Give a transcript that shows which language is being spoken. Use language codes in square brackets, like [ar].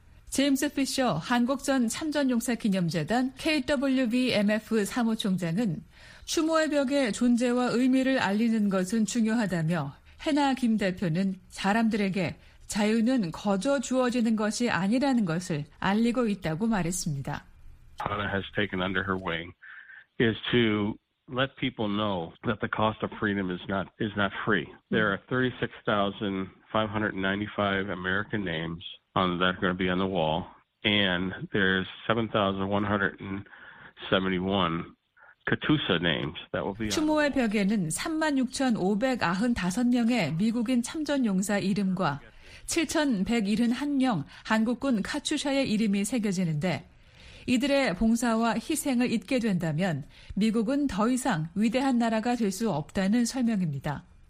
[ko] 제임스 피셔 한국전 참전용사 기념재단 KWBMF 사무총장은 추모의 벽의 존재와 의미를 알리는 것은 중요하다며 해나 김 대표는 사람들에게 자유는 거저 주어지는 것이 아니라는 것을 알리고 있다고 말했습니다. [en] Hannah has taken under her wing is to let people know that the cost of freedom is not free. There are 36,595 American names on that are going to be on the wall, and there's 7,171 Katusa names that will be on. [ko] 추모의 벽에는 36,595명의 미국인 참전용사 이름과 7,171명 한국군 카투샤의 이름이 새겨지는데. 이들의 봉사와 희생을 잊게 된다면 미국은 더 이상 위대한 나라가 될 수 없다는 설명입니다.